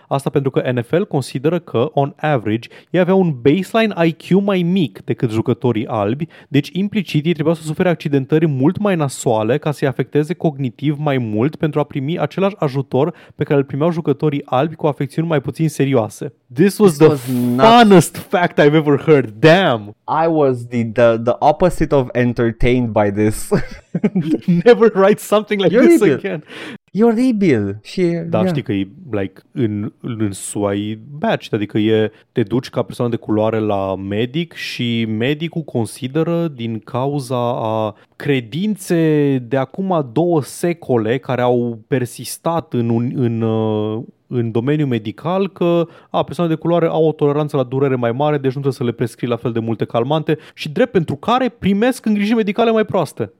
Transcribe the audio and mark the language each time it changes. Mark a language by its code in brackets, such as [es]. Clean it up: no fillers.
[ro] Asta pentru că NFL consideră că, [en] on average, [ro] ei aveau un [en] baseline IQ [ro] mai mic decât jucătorii albi, deci implicit ei trebuiau să sufere accidentări mult mai nasoale ca să-i afecteze cognitiv mai mult pentru a primi același ajutor pe care îl primeau jucătorii albi cu afecțiuni mai puțin serioase. [en] This was the funnest fact I've ever heard. Damn. I was the opposite of entertained by this. Never write something like this again. [ro] E oribil. Și, da, yeah. Știi că e like, în SUAI batch, adică e, te duci ca persoană de culoare la medic și medicul consideră din cauza a credințe de acum două secole care au persistat în domeniul medical că persoana de culoare au o toleranță la durere mai mare, deci nu trebuie să le prescrii la fel de multe calmante și drept pentru care primesc îngrijiri medicale mai proaste.